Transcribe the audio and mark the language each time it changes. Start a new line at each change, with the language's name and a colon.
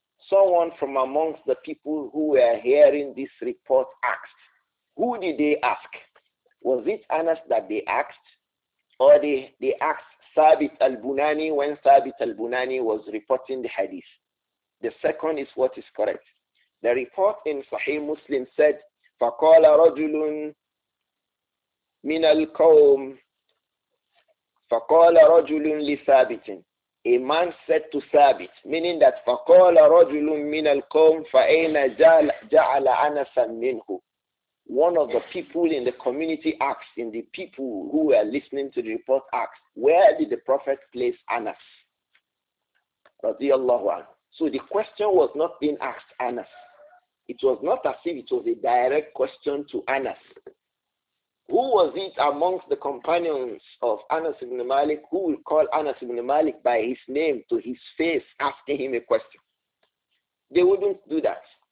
English: Someone from amongst the people who were hearing this report asked. Who did they ask? Was it Anas that they asked? Or they asked Thabit al-Bunani when Thabit al-Bunani was reporting the hadith? The second is what is correct. The report in Sahih Muslim said,
Arabic: فَقَالَ رَجُلٌ مِّنَ الْقَوْمِ فَقَالَ رَجُلٌ لِثَابِتٍ.
English: a man said to Thabit, meaning that
Arabic: فَقَالَ رَجُلٌ مِّنَ الْقَوْمِ فَأَيْنَ جَعَلَ أَنَسًا مِّنْهُ.
English: One of the people in the community asked, in the people who were listening to the report asked, where did the Prophet place Anas? So the question was not being asked Anas. It was not as if it was a direct question to Anas. Who was it amongst the companions of Anas ibn Malik who will call Anas ibn Malik by his name to his face asking him a question? They wouldn't do that.